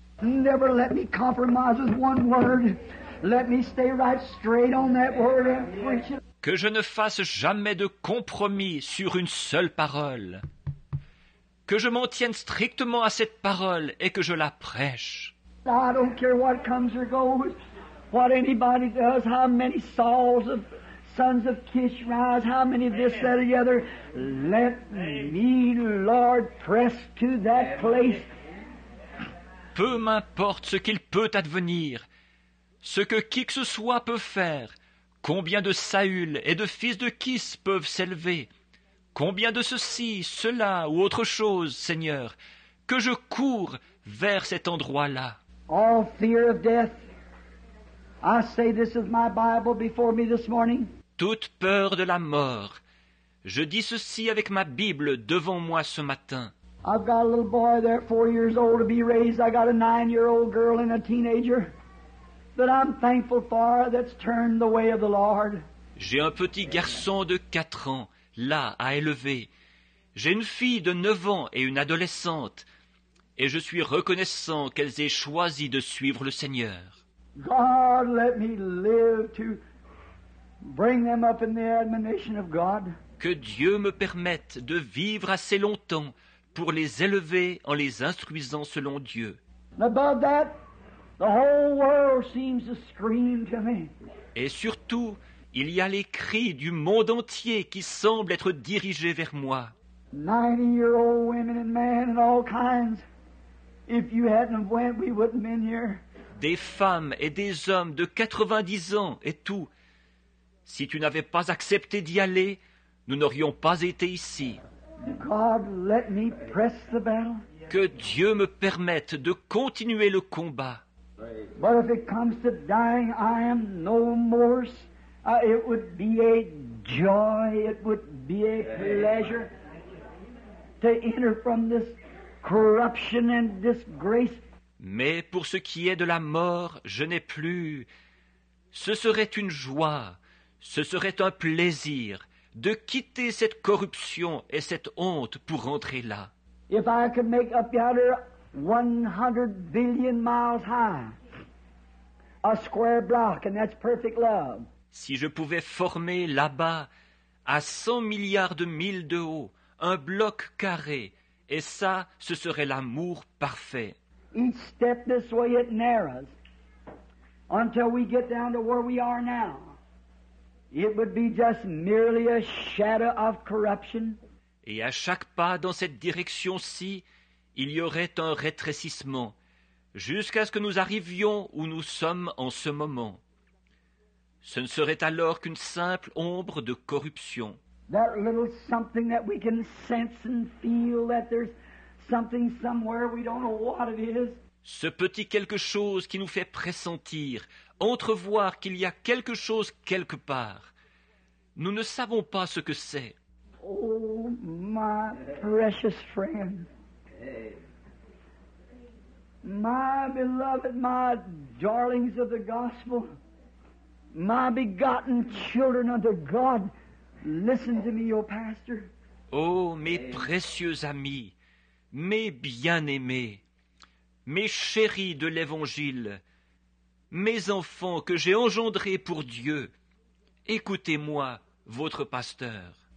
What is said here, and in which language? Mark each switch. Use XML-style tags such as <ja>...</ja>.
<en>Never let me compromise with one word. Let me stay right straight on that word and preach it.</en> <fr>Que je ne fasse jamais de compromis sur une seule parole. Que je m'en tienne strictement à cette parole et que je la prêche.</fr> <en>I don't care what comes or goes, what anybody does, how many Sauls of sons of Kish rise, how many this, that, or the other. Let me, Lord, press to that place.</en> <fr>Peu m'importe ce qu'il peut advenir, ce que qui que ce soit peut faire. Combien de Saül et de fils de Kis peuvent s'élever? Combien de ceci, cela ou autre chose, Seigneur, que je cours vers cet endroit-là?</fr> <en>All fear of death, I say this is my Bible before me this morning.</en> <fr>Toute peur de la mort. Je dis ceci avec ma Bible devant moi ce matin.</fr> <en>I've got a little boy there, 4 years old, to be raised. I got a 9-year-old girl and a teenager that I'm thankful for that's turned the way of the Lord.</en> <fr>J'ai un petit garçon de 4 ans, là, à élever. J'ai une fille de 9 ans et une adolescente. Et je suis reconnaissant qu'elles aient choisi de suivre le Seigneur.</fr> <en>God, let me live to bring them up in the admonition of God.</en> <fr>Que Dieu me permette de vivre assez longtemps pour les élever en les instruisant selon Dieu.</fr> <en>And above that, the whole world seems to scream to me.</en> <fr>Et surtout, il y a les cris du monde entier qui semblent être dirigés vers moi.</fr> <en>90-year-old women and men and all kinds. If you hadn't went, we wouldn't been here.</en> <fr>Des femmes et des hommes de 90 ans et tout. Si tu n'avais pas accepté d'y aller, nous n'aurions pas été ici.</fr> <en>God, let me press the battle.</en> <fr>Que Dieu me permette de continuer le combat.</fr> <en>But if it comes to dying, I am no more. It would be a joy, it would be a pleasure to enter from this corruption and disgrace.</en> <fr>Mais pour ce qui est de la mort, je n'ai plus. Ce serait une joie, ce serait un plaisir de quitter cette corruption et cette honte pour rentrer là.</fr> <en>If I could make up yonder 100 billion miles high, a square block, and that's perfect love.</en> <fr>Si je pouvais former là-bas, à 100 milliards de milles de haut, un bloc carré, et ça, ce serait l'amour parfait.</fr> <en>Each step this way it narrows until we get down to where we are now. It would be just merely a shadow of corruption.</en> <fr>Et à chaque pas dans cette direction-ci, il y aurait un rétrécissement jusqu'à ce que nous arrivions où nous sommes en ce moment. Ce ne serait alors qu'une simple ombre de corruption.</fr> <en>That little something that we can sense and feel that there's something somewhere we don't know what it is.</en> <fr>Ce petit quelque chose qui nous fait pressentir, entrevoir qu'il y a quelque chose quelque part. Nous ne savons pas ce que c'est.</fr> <en>Oh, my precious friend. My beloved, my darlings of the gospel. My begotten children unto God. Listen to me, your pastor.</en> <fr>Oh, mes précieux amis. Mes bien-aimés, mes chéris de l'Évangile, mes enfants que j'ai engendrés pour Dieu, écoutez-moi, votre pasteur.</fr>